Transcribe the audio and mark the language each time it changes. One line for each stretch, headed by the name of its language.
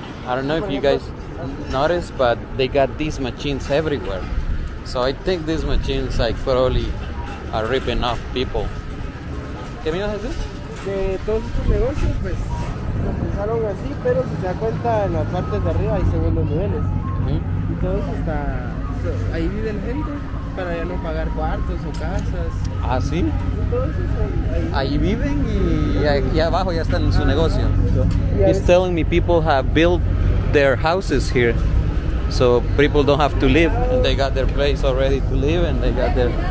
English: I don't know if you guys noticed, but they got these machines everywhere. So I think these machines like probably are ripping off people.
Spanish: ¿Qué miras haces? De todos estos negocios, pues. Empezaron así, pero si se da cuenta, en las partes de arriba hay segundos niveles. ¿Sí? Y todo eso está... Ahí viven gente para ya no pagar cuartos o casas. ¿Ah, sí? Y todo eso está ahí. Ahí viven y abajo ya están en su negocio. Sí.
English: He's telling me people have built their houses here. So people don't have to live. And they got their place already to live and they got their...